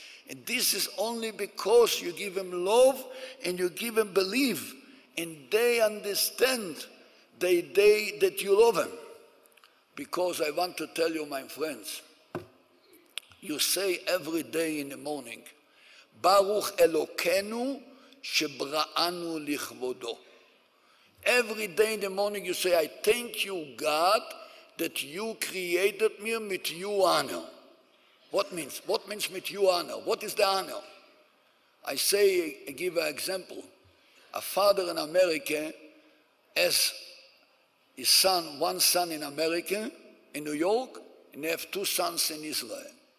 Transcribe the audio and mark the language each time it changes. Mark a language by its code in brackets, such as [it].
[en] And this is only because you give him love and you give him belief. And they understand that you love him. Because I want to tell you, my friends, you say every day in the morning, [he] ברוך אלוקנו שבראנו לכבודו. [en] Every day in the morning you say, I thank you, God, that you created me with your honor. What means? What means with your honor? What is the honor? I say, I give an example. A father in America has his son, one son in America, in New York, and they have two sons in Israel.